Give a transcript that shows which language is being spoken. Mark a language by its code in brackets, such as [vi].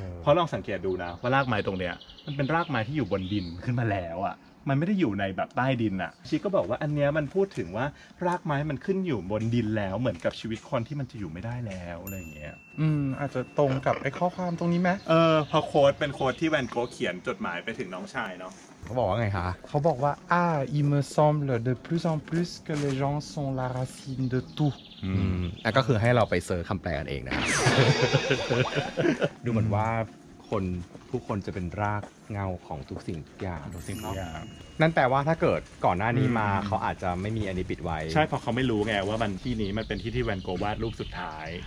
[th] เพราะลองสังเกตดูนะว่ารากไม้ตรงเนี้ยมันเป็นรากไม้ที่อยู่บนดินขึ้นมาแล้วอ่ะมันไม่ได้อยู่ในแบบใต้ดินอ่ะชีก็บอกว่าอันเนี้ยมันพูดถึงว่ารากไม้มันขึ้นอยู่บนดินแล้วเหมือนกับชีวิตคนที่มันจะอยู่ไม่ได้แล้วอะไรอย่างเงี้ย อาจจะตรงกับไอ้ข้อความตรงนี้ไหม พอโค้ดเป็นโค้ดที่แวนโกเขียนจดหมายไปถึงน้องชายเน า ะ เขาบอกว่าไงคะ เขาบอกว่า [fr] i me semble de plus en plus que les gens sont la racine de tout [th] แล้วก็คือให้เราไปเซิร์ชคำแปลกันเองนะครับดูเหมือนว่าคนผู้คนจะเป็นรากเงาของทุกสิ่งทุกอย่าง ทุกสิ่งทุกอย่าง นั่นแปลว่าถ้าเกิดก่อนหน้านี้มาเขาอาจจะไม่มีอันนี้ปิดไว้ ใช่เพราะเขาไม่รู้ไงว่ามันที่นี้มันเป็นที่ที่แวนโกวาดรูปสุดท้าย